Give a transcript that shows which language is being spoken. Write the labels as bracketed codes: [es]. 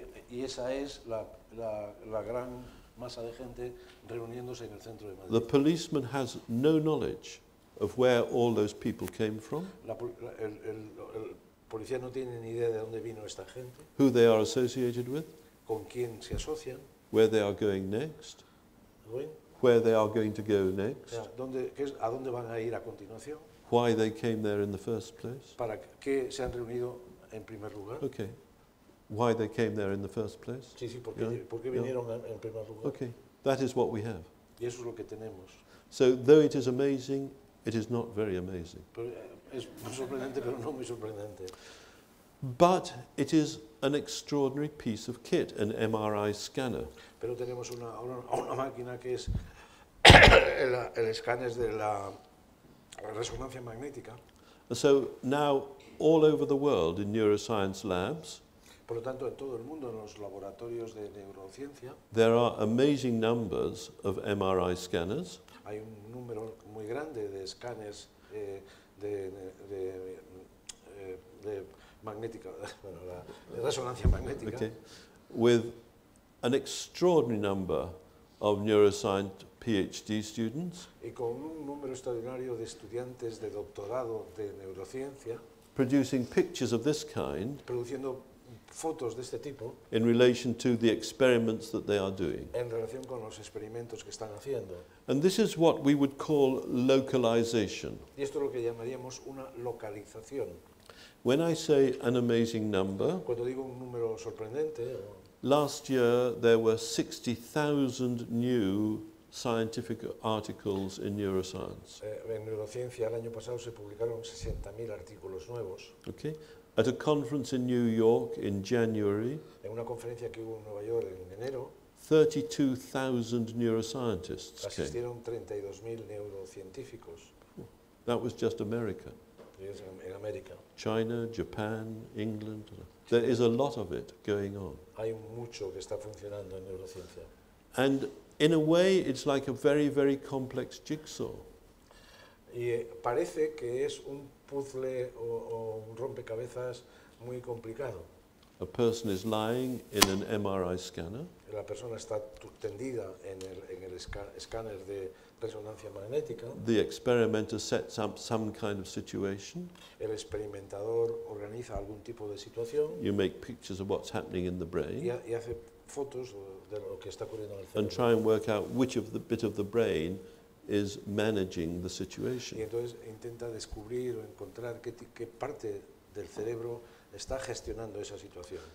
[es] Y esa es la gran masa de gente reuniéndose en el centro de Madrid. [en] The policeman has no knowledge of where all those people came from. [es] El policía no tiene ni idea de dónde vino esta gente. [en] Who they are associated with? [es] Con quién se asocian. [en] Where they are going next? Where they are going to go next? [es] ¿A dónde van a ir a continuación? [en] Why they came there in the first place? [es] ¿Para qué se han reunido en primer lugar? [en] Okay. Why they came there in the first place? [es] Sí, sí, ¿por qué vinieron en primer lugar? [en] Okay. That is what we have. [es] Y eso es lo que tenemos. [en] So though it is amazing, it is not very amazing. [es] Pero es sorprendente, pero no muy sorprendente. [en] But it is an extraordinary piece of kit, an MRI scanner. [es] Pero tenemos una máquina que es el escáner de la resonancia magnética. [en] So now all over the world in neuroscience labs. [es] Por lo tanto, en todo el mundo en los laboratorios de neurociencia. [en] There are amazing numbers of MRI scanners. [es] Hay un número muy grande de escáneres de resonancia magnética. [en] Okay. With an extraordinary number of neuroscience PhD students. [es] Y con un número extraordinario de estudiantes de doctorado de neurociencia. [en] Producing pictures of this kind. [es] Produciendo fotos de este tipo. [en] In relation to the experiments that they are doing. [es] En relación con los experimentos que están haciendo. [en] And this is what we would call localization. [es] Y esto es lo que llamaríamos una localización. [en] When I say an amazing number, [es] cuando digo un número sorprendente, [en] last year there were 60,000 new scientific articles in neuroscience. [es] En neurociencia el año pasado se publicaron 60,000 artículos nuevos. [en] Okay. At a conference in New York in January, [es] en una conferencia que hubo en Nueva York en enero, [en] 32,000 neuroscientists came. [es] Asistieron 32,000 neurocientíficos. [en] That was just America. [es] En América. [en] China, Japan, England. There is a lot of it going on. [es] Hay mucho que está funcionando en neurociencia. [en] And in a way, it's like a very, very complex jigsaw. [es] Y parece que es un puzzle o un rompecabezas muy complicado. [en] A person is lying in an MRI scanner. [es] La persona está tendida en el escáner de resonancia magnética. [en] The experimenter sets up some kind of situation. [es] El experimentador organiza algún tipo de situación. [en] You make pictures of what's happening in the brain. [es] Y hace fotos de lo que está ocurriendo en el cerebro. [en] And try and work out which of the bit of the brain is managing the situation. [es] Y entonces intenta descubrir o encontrar qué parte del cerebro está gestionando esa situación.